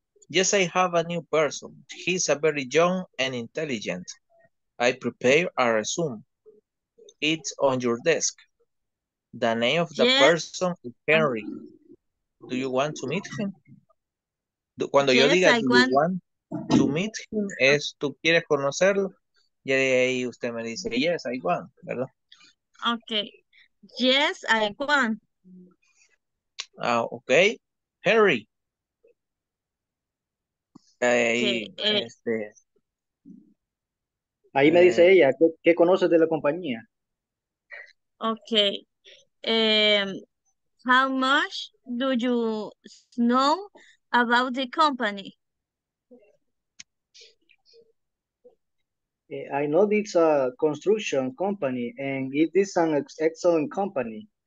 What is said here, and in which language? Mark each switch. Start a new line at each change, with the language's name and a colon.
English: Yes, I have a new person. He's a very young and intelligent. I prepare a resume. It's on your desk. The name of the yes. person is Henry. Do you want to meet him?
Spanish: Cuando yes, yo diga, do you want to meet him? Es, ¿tú quieres conocerlo? Y ahí usted me dice, yes, I want, ¿verdad?
English: Okay. Yes, I want. Okay. Henry. Okay.
Spanish: Ahí me dice ella, ¿qué conoces de la compañía?
English: Okay. How much do you know about the company? I know it's a construction company and it is an excellent company.